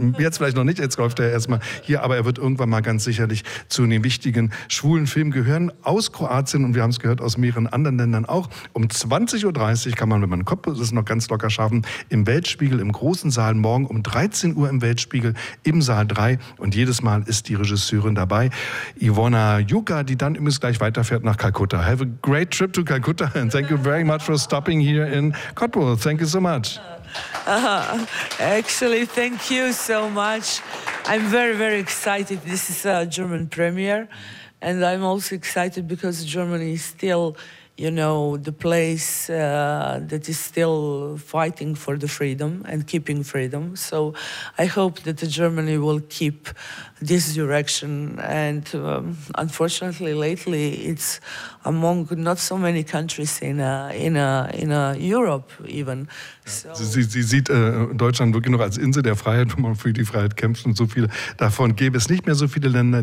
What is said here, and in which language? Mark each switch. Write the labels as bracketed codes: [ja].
[de] Jetzt vielleicht noch nicht, jetzt läuft er erstmal hier, aber er wird irgendwann mal ganz sicherlich zu den wichtigen schwulen Filmen gehören, aus Kroatien, und wir haben es gehört, aus mehreren anderen Ländern dann auch. Um 20.30 Uhr kann man, wenn man den Kopf ist, noch ganz locker schaffen, im Weltspiegel, im großen Saal, morgen um 13 Uhr im Weltspiegel, im Saal 3. Und jedes Mal ist die Regisseurin dabei, Ivona Juka, die dann übrigens gleich weiterfährt nach Kalkutta. [en] Have a great trip to Kalkutta and thank you very much for stopping here in Cottbus. Thank you so much. Actually, thank you so much. I'm very, very excited. This is a German premiere. And I'm also excited because Germany is still, you know, the place that is still fighting for the freedom and keeping freedom. So I hope that Germany will keep this direction. And unfortunately, lately, it's among not so many countries in Europe even. So. [de] Sie sieht Deutschland wirklich noch als Insel der Freiheit, wo man für die Freiheit kämpft, und so viele davon gäbe es nicht mehr, so viele Länder.